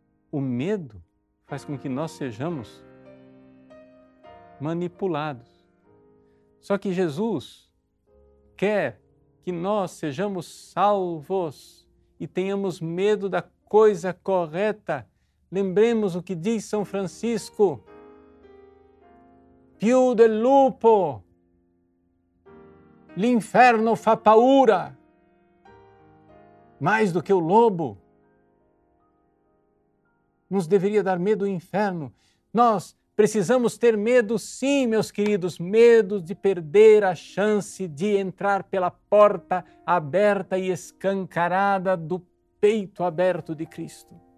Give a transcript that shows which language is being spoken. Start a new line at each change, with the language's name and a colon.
Portuguese: O medo faz com que nós sejamos manipulados. Só que Jesus quer que nós sejamos salvos e tenhamos medo da coisa correta. Lembremos o que diz São Francisco:
Italian: più del lupo, l'inferno fa paura.
Portuguese: Mais do que o lobo, nos deveria dar medo o inferno. Nós precisamos ter medo, sim, meus queridos, medo de perder a chance de entrar pela porta aberta e escancarada do peito aberto de Cristo.